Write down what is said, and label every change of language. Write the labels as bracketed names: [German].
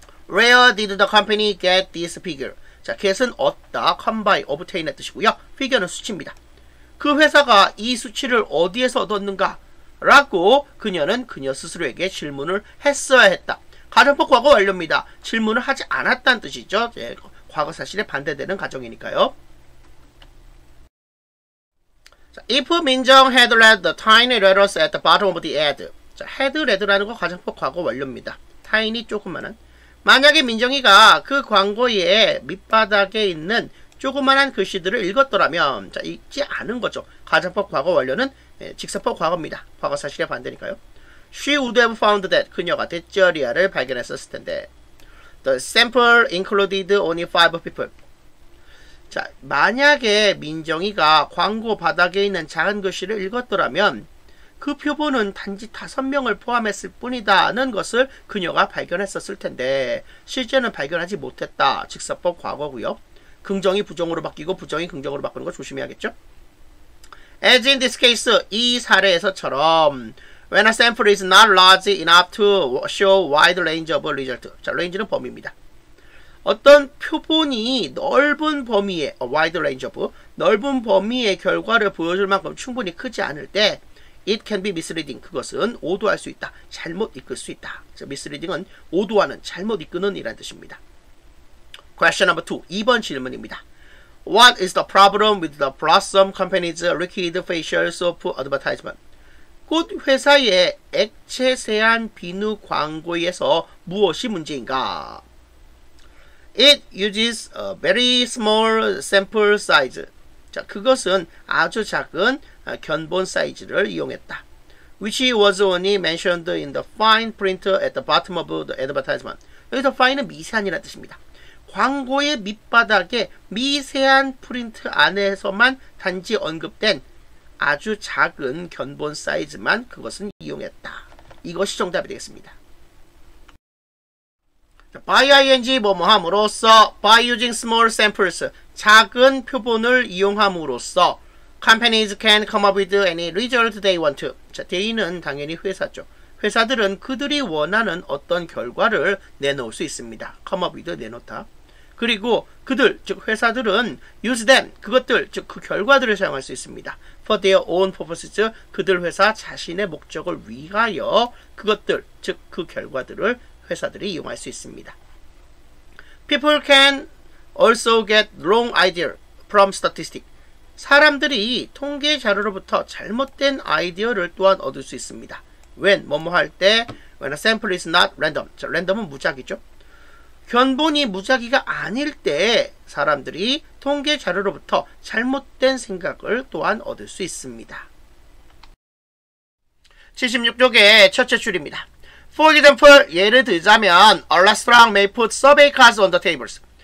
[English] Where did the company get this figure? [Korean] 자, get은 얻다, come by, obtain의 뜻이고요. figure는 수치입니다. 그 회사가 이 수치를 어디에서 얻었는가? 라고 그녀는 그녀 스스로에게 질문을 했어야 했다. 가정법 과거 완료입니다. 질문을 하지 않았다는 뜻이죠. 예, 과거 사실에 반대되는 가정이니까요. [English] 자, if 민정 had read the tiny letters at the bottom of the ad. [Korean] 자, had read라는 거 가정법 과거 완료입니다. tiny 조그만한. 만약에 민정이가 그 광고의 밑바닥에 있는 조그만한 글씨들을 읽었더라면 자, 읽지 않은 거죠. 가정법 과거 완료는 직사법 과거입니다. 과거 사실에 반대니까요. [English] She would have found that [Korean] 그녀가 대쩌리아를 발견했었을 텐데 [English] The sample included only five people. [Korean] 자, 만약에 민정이가 광고 바닥에 있는 작은 글씨를 읽었더라면 그 표본은 단지 다섯 명을 포함했을 뿐이다는 것을 그녀가 발견했었을 텐데 실제는 발견하지 못했다. 즉석법 과거고요. 긍정이 부정으로 바뀌고 부정이 긍정으로 바꾸는 거 조심해야겠죠? [English] As in this case, [Korean] 이 사례에서처럼 [English] When a sample is not large enough to show wide range of results. [Korean] 자, range는 범위입니다. 어떤 표본이 넓은 범위의 [English] wide range of [Korean] 넓은 범위의 결과를 보여줄 만큼 충분히 크지 않을 때 [English] It can be misleading. [Korean] 그것은 오도할 수 있다. 잘못 이끌 수 있다. 그래서 misleading은 오도하는, 잘못 이끄는 이란 뜻입니다. [English] Question number 2. [Korean] 2번 질문입니다. [English] What is the problem with the Blossom Company's liquid facial soap advertisement? [Korean] 꽃 회사의 액체 세안 비누 광고에서 무엇이 문제인가? [English] It uses a very small sample size. [Korean] 자, 그것은 아주 작은 견본 사이즈를 이용했다. [English] Which was only mentioned in the fine print at the bottom of the advertisement. [Korean] 여기서 fine은 미세한이라는 뜻입니다. 광고의 밑바닥에 미세한 프린트 안에서만 단지 언급된 아주 작은 견본 사이즈만 그것은 이용했다. 이것이 정답이 되겠습니다. [English] By ing [Korean] 뭐뭐함으로써 [English] By using small samples [Korean] 작은 표본을 이용함으로써 [English] Companies can come up with any result they want to. [Korean] 자, they는 당연히 회사죠. 회사들은 그들이 원하는 어떤 결과를 내놓을 수 있습니다. Come up with, 내놓다. 그리고 그들, 즉 회사들은 [English] use them, [Korean] 그것들, 즉 그 결과들을 사용할 수 있습니다. [English] For their own purposes, [Korean] 그들 회사 자신의 목적을 위하여 그것들, 즉 그 결과들을 회사들이 이용할 수 있습니다. [English] People can also get wrong ideas from statistics. [Korean] 사람들이 통계 자료로부터 잘못된 아이디어를 또한 얻을 수 있습니다. [English] When, [Korean] 뭐뭐 할 때, [English] when a sample is not random. [Korean] 자, random은 무작위죠. 견본이 무작위가 아닐 때 사람들이 통계 자료로부터 잘못된 생각을 또한 얻을 수 있습니다. 76쪽의 첫째 줄입니다. [English] For example, [Korean] 예를 들자면 [English] A restaurant may put survey cards on the tables.